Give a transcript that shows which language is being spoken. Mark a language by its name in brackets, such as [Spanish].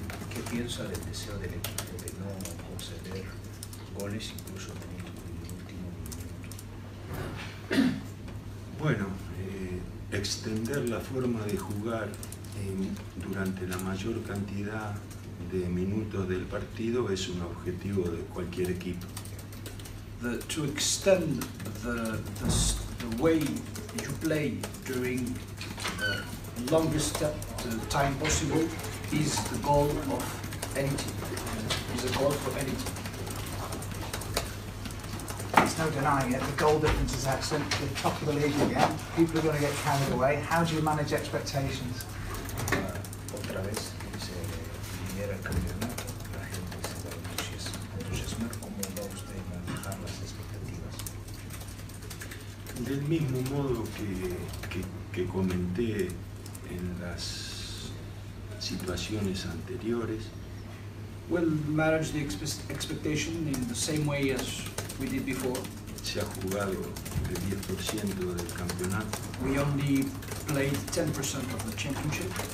[Spanish] ¿Qué piensa del deseo del equipo de no conceder goles incluso en el último minuto? Bueno, extender la forma de jugar durante la mayor cantidad de minutos del partido es un objetivo de cualquier equipo. [English] To extend the way you play during the longest time possible is the goal of any team. Is a goal for any team. There's no denying it, the goal difference is excellent. The top of the league again, people are going to get carried away. How do you manage expectations? [Spanish] Otra vez, dice, viniera el campeonato, la gente se va a entusiasmar. ¿Cómo va usted a manejar las expectativas? Del mismo modo que comenté en las situaciones anteriores. [English] We'll manage the expectation in the same way as we did before. [Spanish] Se ha jugado el 10% del campeonato. [English] We only played 10% of the championship.